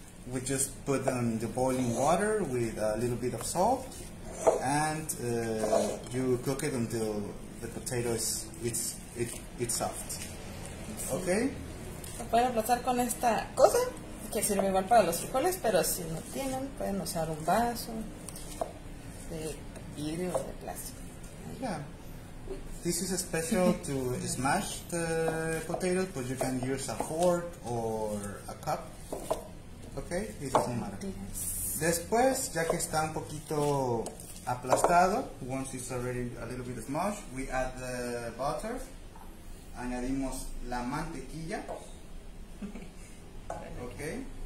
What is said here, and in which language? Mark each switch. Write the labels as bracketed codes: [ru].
[en] We just put them in the boiling water with a little bit of salt. And you cook it until the potato is soft. Okay. [es] Se pueden aplastar con esta cosa que sirve igual para los frijoles, pero si no tienen pueden usar un vaso de vidrio o de plástico. [en] Yeah. This is special to smash the potato, but you can use a fork or a cup. Okay. It doesn't matter. [es] Después, ya que está un poquito aplastado, [en] once it's already a little bit smushed, we add the butter, [es] añadimos la mantequilla, [en] okay.